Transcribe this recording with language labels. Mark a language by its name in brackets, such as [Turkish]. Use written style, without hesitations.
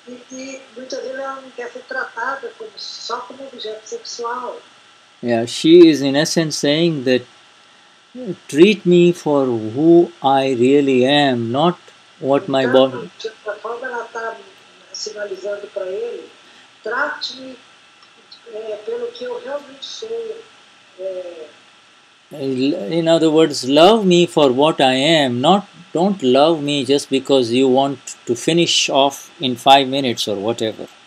[Portuguese] E muitas vezes ela não quer ser tratada só como objeto sexual. [English] Yeah, she is in essence saying that treat me for who I really am, not what my body... [Portuguese] De certa forma ela está sinalizando para ele, trate-me pelo que eu realmente sou. [English] In other words, love me for what I am, don't love me just because you want to finish off in 5 minutes or whatever.